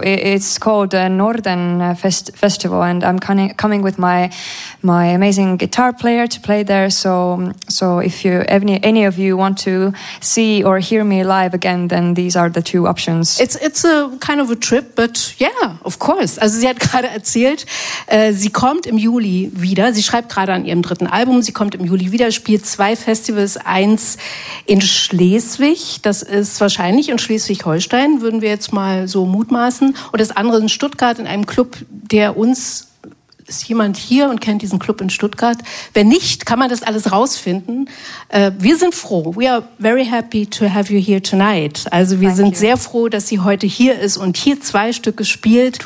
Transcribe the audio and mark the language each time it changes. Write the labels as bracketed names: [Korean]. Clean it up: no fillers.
[English] It's called Norden Festival, and I'm coming with my amazing guitar player to play there. So if you any of you want to see or hear me live again, then these are the two options. It's a kind of a trip, but yeah, of course. [German] Also sie hat gerade erzählt, sie kommt im Juli wieder. Sie schreibt gerade an ihrem dritten Album. Sie kommt im Juli wieder, spielt zwei Festivals, eins in Schleswig, das ist wahrscheinlich in Schleswig-Holstein, würden wir jetzt mal so mutmaßen. Und das andere in Stuttgart, in einem Club, der uns, ist jemand hier und kennt diesen Club in Stuttgart? Wenn nicht, kann man das alles rausfinden. Wir sind froh. [English] We are very happy to have you here tonight. [German] Also wir sind sehr froh, dass sie heute hier ist und hier zwei Stücke spielt.